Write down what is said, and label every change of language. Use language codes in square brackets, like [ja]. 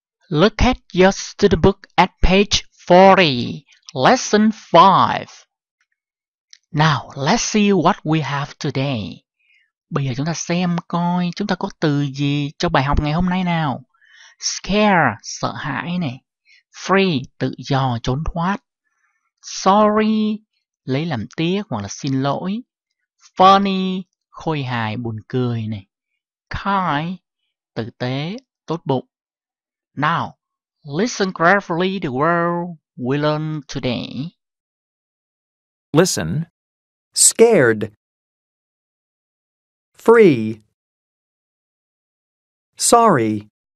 [en] Look at your student book at page 40, lesson 5. Now, let's see what we have today. [vi] Bây giờ chúng ta xem coi chúng ta có từ gì cho bài học ngày hôm nay nào. Scare, sợ hãi này. Free, tự do, trốn thoát. Sorry, lấy làm tiếc hoặc là xin lỗi. Funny, khôi hài, buồn cười này. Kind, tử tế, tốt bụng. [en] Now, listen carefully to the word we learn today. Listen. Scared. Free. Sorry.